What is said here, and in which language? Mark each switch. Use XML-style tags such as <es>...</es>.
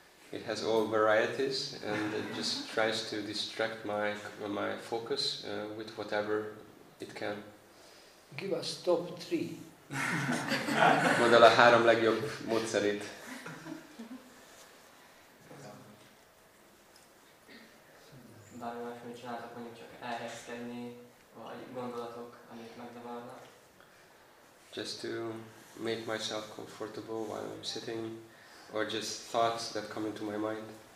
<en>It has all varieties, and it just tries to distract my focus with whatever it can. Give us top three.</en> <hu>Mondd el a három legjobb módszerét. Bármi más, amit csináltak, mondjuk csak elhelyezkedni, vagy gondolatok, amit megzavarnak.</hu> <en>Just to make myself comfortable while I'm sitting. Or just thoughts that come into my mind.</en>